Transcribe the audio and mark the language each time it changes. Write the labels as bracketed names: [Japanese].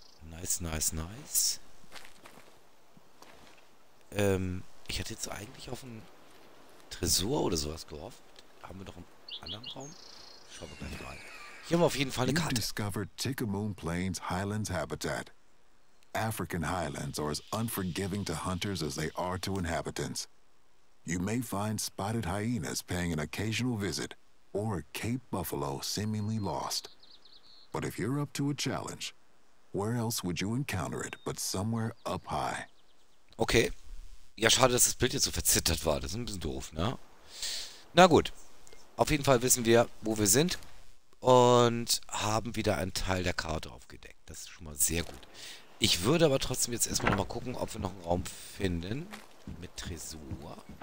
[English] Nice, nice, nice. [German] Ich hatte jetzt eigentlich auf einen Tresor oder sowas gehofft. Haben wir noch einen anderen Raum? Schauen wir gleich mal. Hier haben wir auf jeden Fall eine Karte. [English] You discovered Tikamoon Plains Highlands Habitat. African Highlands are as unforgiving to hunters as they are to inhabitants. You may find spotted hyenas paying an occasional visit or a Cape Buffalo seemingly lost. But if you're up to a challenge, where else would you encounter it but somewhere up high? Okay. [German] Ja, schade, dass das Bild jetzt so verzittert war. Das ist ein bisschen doof, ne? Na gut. Auf jeden Fall wissen wir, wo wir sind. und haben wieder einen Teil der Karte aufgedeckt. Das ist schon mal sehr gut. Ich würde aber trotzdem jetzt erstmal nochmal gucken, ob wir noch einen Raum finden mit Tresor.